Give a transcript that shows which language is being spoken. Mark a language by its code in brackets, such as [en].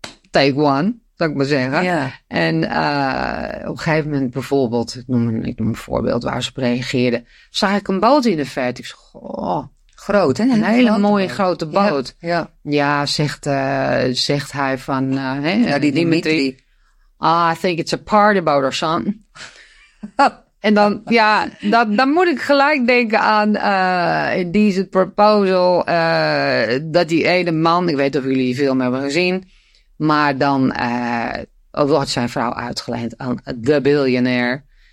[en] Take one, [nl] zou ik maar zeggen. Ja. En op een gegeven moment bijvoorbeeld, ik noem een voorbeeld waar ze op reageerden, zag ik een boot in de verte. Ik zeg, oh, groot, hè? Een hele mooie grote boot. Ja, ja. Ja, zegt hij van... Dimitri. [en] I think it's a party boat or something. [nl] En dan, ja, dan moet ik gelijk denken aan Indecent Proposal. Dat die ene man, ik weet of jullie die film hebben gezien, maar dan wordt zijn vrouw uitgeleend aan de billionaire.